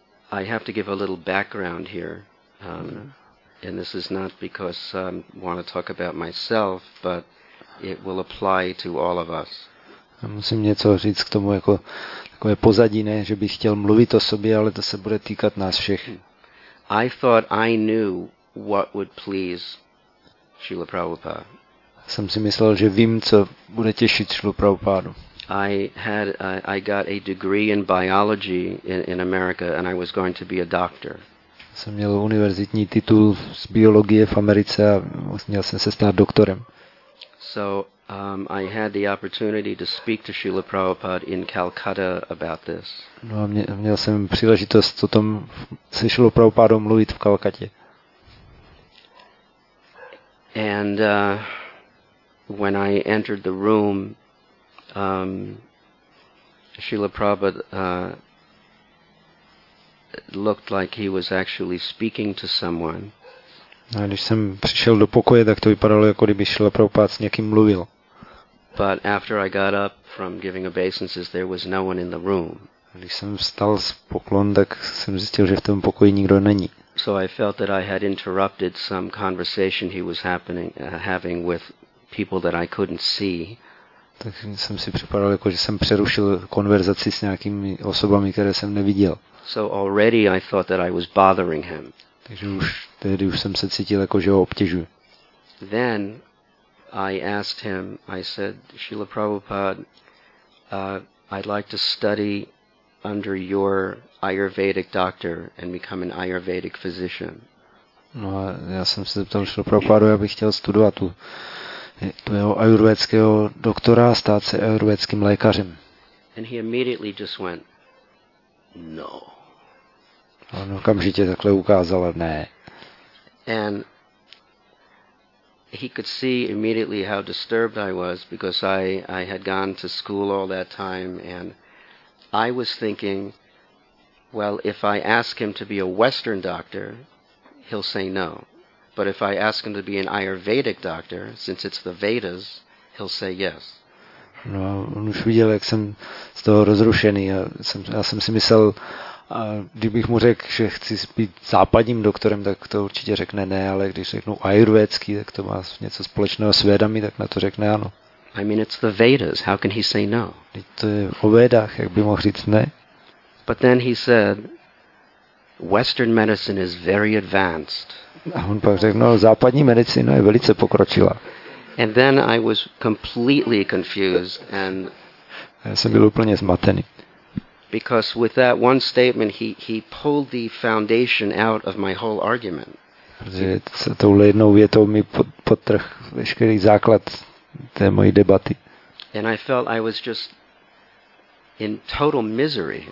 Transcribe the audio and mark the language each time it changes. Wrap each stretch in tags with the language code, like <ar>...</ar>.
<en>I have to give a little background here, and this is not because I want to talk about myself, but it will apply to all of us.</en> <cs>Já musím něco říct k tomu jako takové pozadí, ne, že bych chtěl mluvit o sobě, ale to se bude týkat nás všech.</cs> <en>I thought I knew what would please Srila Prabhupada.</en> <cs>Jsem si myslel, že vím, co bude těšit Šilu Prabhupádu.</cs> <en>I got a degree in biology in America and I was going to be a doctor.</en> <cs>Jsem měl univerzitní titul z biologie v Americe a měl jsem se stát doktorem.</cs> <en>So I had the opportunity to speak to Srila Prabhupada in Calcutta about this.</en> <cs>No a měl jsem příležitost o tom se Šilou Prabhupádou mluvit v Kalkatě.</cs> <en>And when I entered the room, Srila Prabhupada looked like he was actually speaking to someone.</en> <cs>A když jsem přišel do pokoje, tak to vypadalo, jako kdyby Srila Prabhupada s někým mluvil.</cs> <en>But after I got up from giving obeisances, there was no one in the room.</en> <cs>Když jsem vstal z poklon, tak jsem zjistil, že v tom pokoji nikdo není.</cs> <en>So I felt that I had interrupted some conversation he was having with people that I couldn't see.</en> <cs>Tak jsem si připadal, jako že jsem přerušil konverzaci s nějakými osobami, které jsem neviděl.</cs> <en>So already I thought that I was bothering him.</en> <cs>Takže už tehdy už jsem se cítil, jako že ho obtěžuji.</cs> <en>Then I asked him, I said, Srila Prabhupada, I'd like to study under your Ayurvedic doctor and become an Ayurvedic physician.</en> <cs>No a já jsem se zeptal Srila Prabhupada, já bych chtěl studovat tu jeho ayurvédského doktora a stát se ayurvédským lékařem.</cs> <en>And he immediately just went, no.</en> <cs>A on okamžitě takhle ukázal, ne.</cs> <en>And he could see immediately how disturbed I was because I had gone to school all that time and I was thinking, well, if I ask him to be a Western doctor, he'll say no. But if I ask him to be an Ayurvedic doctor, since it's the Vedas, he'll say yes.</en> <cs>No, on už viděl, jak jsem z toho rozrušený. Já jsem si myslel, kdybych mu řekl, že chci být západním doktorem, tak to určitě řekne ne, ale když řeknu ayurvédský, tak to má něco společného s Vedami, tak na to řekne ano.</cs> <en>I mean, it's the Vedas. How can he say no?</en> <cs>To je o Vedách, jak by mohl říct ne?</cs> <en>But then he said, Western medicine is very advanced.</en> <cs>A on pak řekl, no, západní medicina je velice pokročila.</cs> <en>And then I was completely confused and</en> <cs>já jsem byl úplně zmatený.</cs> <en>Because with that one statement he pulled the foundation out of my whole argument.</en> <cs>Protože touhle jednou větou mi podtrh veškerý základ té mojí debaty.</cs> <en>And I felt I was just in total misery.</en>